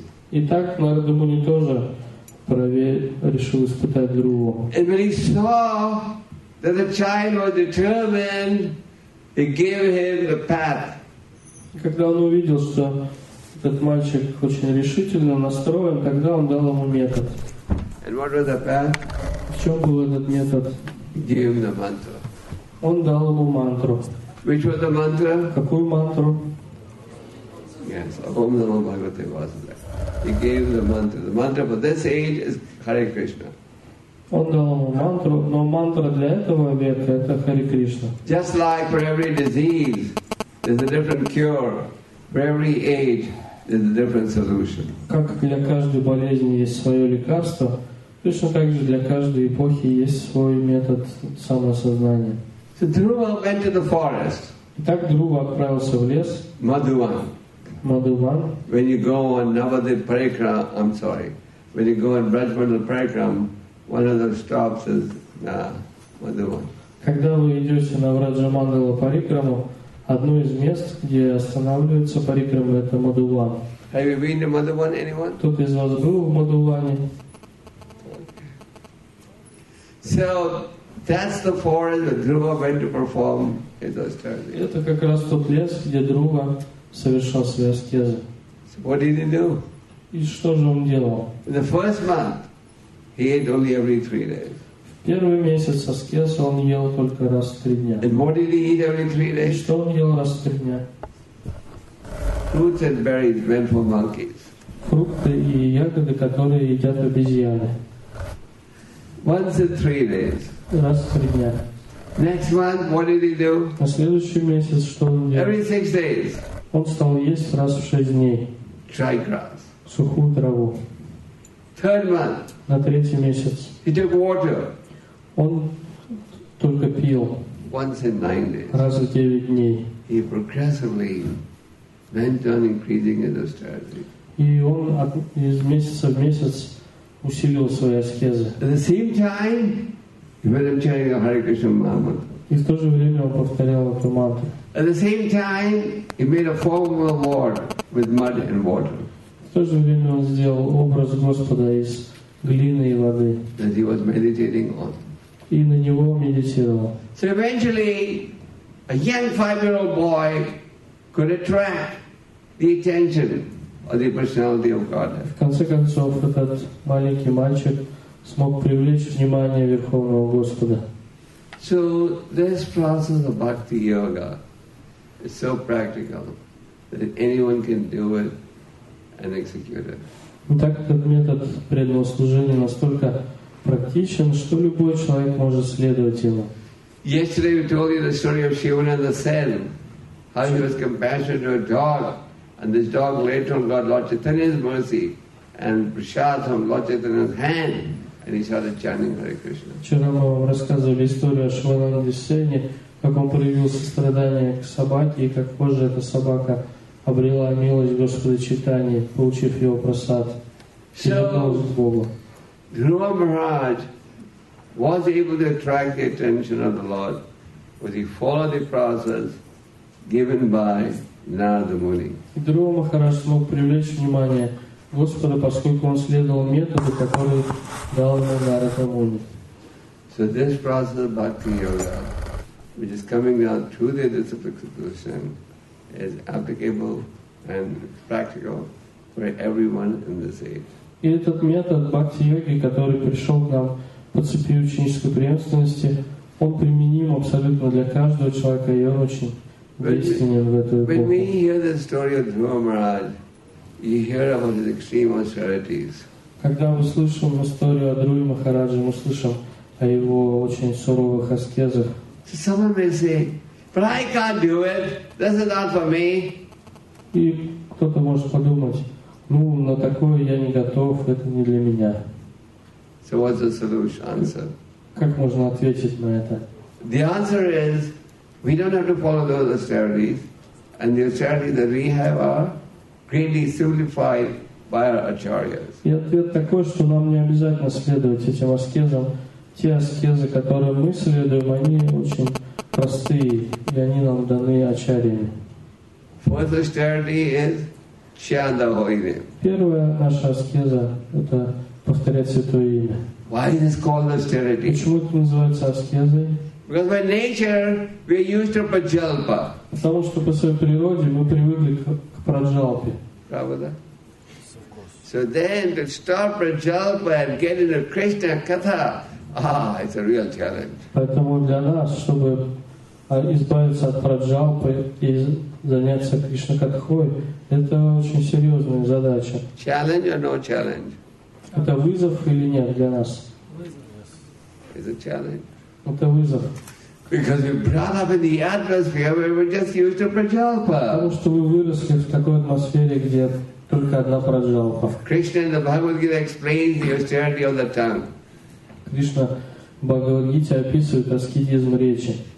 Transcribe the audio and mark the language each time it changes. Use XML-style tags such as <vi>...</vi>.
<ru>И так Нарада Муни тоже решил испытать другого.</ru> <en>And when he saw that the child was determined, he gave him the path.</en> <ru>Когда он увидел, что этот мальчик очень решительно настроен, тогда он дал ему метод.</ru> <en>And what was the path?</en> <ru>В чем был этот метод?</ru> <en>He gave him the mantra.</en> <ru>Он дал ему мантру.</ru> <en>Which was the mantra?</en> <ru>Какую мантру?</ru> <en>Yes,</en> <sa>Om Namo Bhagavate Vasudevaya.</sa> <en>He gave the mantra. The mantra for this age is Hare Krishna.</en> <ru>Он дал ему мантру, но мантра для этого века это Hare Krishna.</ru> <en>Just like for every disease, there's a different cure. For every age, there's a different solution.</en> <ru>Как для каждой болезни есть свое лекарство, точно так же для каждой эпохи есть свой метод самосознания.</ru> <en>So Dhruva went to the forest.</en> <ru>Итак, Dhruva отправился в лес.</ru> <en>Madhuvan.</en> <ru>Madhuvan.</ru> <en>When you go on Navadvip Parikram, I'm sorry. When you go on Brajmandal Parikram, one of the stops is Madhuvan.</en> <ru>Когда вы идете на Враджамандала Парикраму, одно из мест, где останавливается Парикрама, это Мадхуван.</ru> <en>Have you been to Madhuvan, anyone?</en> <ru>Кто-то из вас был в Мадхуване?</ru> <en>So that's the forest where Dhruva went to perform his austerity.</en> <ru>Это как раз тот лес, где Dhruva совершал свои аскезы.</ru> <en>So what did he do?</en> <ru>И что же он делал?</ru> <en>In the first month, he ate only every 3 days.</en> <ru>В первый месяц аскез он ел только раз в 3 дня.</ru> <en>And what did he eat every 3 days?</en> <ru>И что он ел раз в 3 дня?</ru> <en>Fruits and berries meant for monkeys.</en> <ru>Фрукты и ягоды, которые едят обезьяны.</ru> <en>Once in 3 days.</en> <ru>Раз в 3 дня.</ru> <en>Next month, what did he do?</en> <ru>На следующий месяц что он делал?</ru> <en>Every 6 days.</en> <ru>Он стал есть раз в 6 дней.</ru> <en>Dry grass.</en> <ru>Сухую траву.</ru> <en>Third month.</en> <ru>На третий месяц.</ru> <en>He took water.</en> <ru>Он только пил.</ru> <en>Once in 9 days.</en> <ru>Раз в 9 дней.</ru> <en>He progressively went on increasing his austerity.</en> <ru>И он из месяца в месяц усилил свои аскезы.</ru> <en>At the same time, he went on chanting the Hare Krishna mantra.</en> <ru>И в то же время он повторял эту мантру.</ru> <en>At the same time, he made a form of Lord with mud and water.</en> <ru>В то же время он сделал образ Господа из глины и воды.</ru> <en>That he was meditating on.</en> <ru>И на него медитировал.</ru> <en>So eventually, a young 5-year-old boy could attract the attention of the personality of Godhead.</en> <ru>В конце концов, этот маленький мальчик смог привлечь внимание Верховного Господа.</ru> <en>So this process of bhakti yoga is so practical that anyone can do it and execute it.</en> <ru>Так этот метод преданного служения настолько практичен, что любой человек может следовать ему.</ru> <en>Yesterday we told you the story of Shivananda Sen, how he was compassionate to a dog, and this dog later on got Lord Chaitanya's mercy and prasad from Lord Chaitanya's hand. And he started chanting Hare Krishna.</en> <ru>Вчера мы вам рассказывали историю о Шивананде Сене, как он проявил сострадание к собаке, и как позже эта собака обрела милость Господа Чайтаньи, получив его просад.</ru> <en>So, Dhruva Maharaj was able to attract the attention of the Lord when he followed the process given by Narada Muni.</en> <ru>Dhruva Maharaj смог привлечь внимание Господа, поскольку он следовал методу, который дал ему Нарада Муни.</ru> <en>So this process of bhakti yoga, which is coming down through the disciplic solution, is applicable and practical for everyone in this age.</en> <ru>И этот метод бхакти йоги, который пришел к нам по цепи ученической преемственности, он применим абсолютно для каждого человека, и он очень действенен в эту эпоху.</ru> <en>When we hear the story of Dhruva Maharaj, you hear about his extreme austerities.</en> <ru>Когда мы слышим историю о Друве Махарадже, мы слышим о его очень суровых аскезах.</ru> <en>Someone may say, but I can't do it. This is not for me.</en> <ru>И кто-то может подумать, ну, на такое я не готов, это не для меня.</ru> <en>So what's the solution answer?</en> <ru>Как можно ответить на это?</ru> <en>The answer is, we don't have to follow those austerities. and the acharyas that we have are greatly simplified by our acharyas.</en> <ru>И ответ такой, что нам не обязательно следовать этим аскезам. Те аскезы, которые мы следуем, они очень простые, и они нам даны ачарьями.</ru> <en>First austerity is chandavoide.</en> <ru>Первая наша аскеза – это повторять святое имя.</ru> <en>Why is this called austerity?</en> <ru>Почему это называется аскезой?</ru> <en>Because by nature we are used to prajalpa.</en> <ru>Потому что по своей природе мы привыкли к праджалпе. Правда?</ru> <en>So then to stop prajalpa and get into Krishna katha. It's a real challenge.</en> <ru>Поэтому для нас, чтобы избавиться от праджалпы и заняться кришнакатхой, это очень серьезная задача.</ru> <en>Challenge or no challenge?</en> <ru>Это вызов или нет для нас?</ru> <en>It's a challenge.</en> <ru>Это вызов.</ru> <en>Because we brought up in the atmosphere where we're just used to prajalpa.</en> <ru>Потому что вы выросли в такой атмосфере, где только одна праджалпа.</ru> <en>Krishna in the Bhagavad Gita explains the austerity of the tongue.</en> <ru>Кришна в Бхагавад-гите описывает аскетизм речи.</ru>